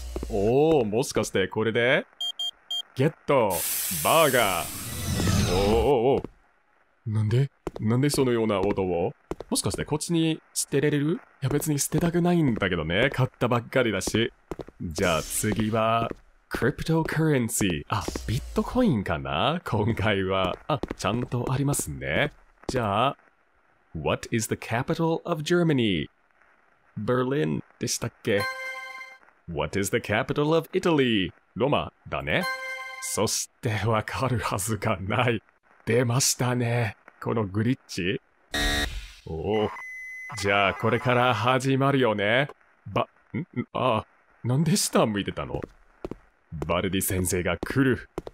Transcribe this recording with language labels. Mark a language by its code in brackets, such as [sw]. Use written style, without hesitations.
[ja] おー、もしかしてこれで？ゲットバーガー。おーおーおー。なんで？なんでそのような音を？もしかしてこっちに捨てられる？いや別に捨てたくないんだけどね。買ったばっかりだし。じゃあ次は、クリプトカレンシー。あ、ビットコインかな？今回は。あ、ちゃんとありますね。じゃあ、 [en] What is the capital of Germany? [ja] ベルリンでしたっけ？ [en] What is the capital of Italy? [ja] ロマだね。そして、わかるはずがない。出ましたね。このグリッチ。おお。じゃあ、これから始まるよね。ば、ん？ああ、なんで下向いてたの？バルディ先生が来る。